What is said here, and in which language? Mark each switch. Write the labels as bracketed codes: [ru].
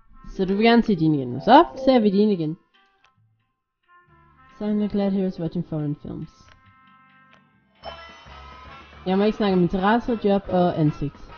[da] Så du vil gerne se din igen, så ser vi din igen. [en] So I'm glad he was watching foreign films. [da] Jeg må ikke snakke om interesse, job og ansigt.